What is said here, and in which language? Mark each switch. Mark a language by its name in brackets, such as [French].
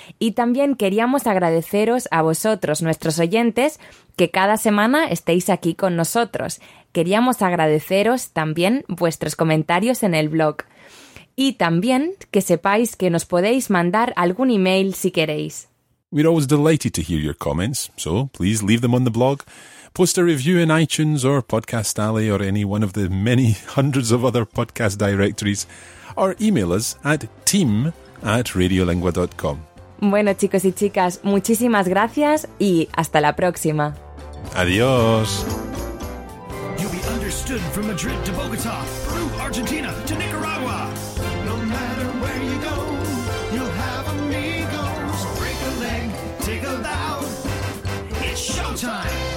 [Spanish] Y también queríamos agradeceros a vosotros, nuestros oyentes, que cada semana estéis aquí con nosotros. Queríamos agradeceros también vuestros comentarios en el blog. Y también que sepáis que nos podéis mandar algún email si queréis. [English] We're always delighted to hear your comments, so please leave them on the blog. Post a review in iTunes or Podcast Alley or any one of the many hundreds of other podcast directories, or email us at team@radiolingua.com. [Spanish] Bueno, chicos y chicas, muchísimas gracias y hasta la próxima. Adiós. [English] You'll be understood from Madrid to Bogota, Peru, Argentina to Nicaragua. No matter where you go, you'll have amigos. Break a leg, take a bow. It's showtime.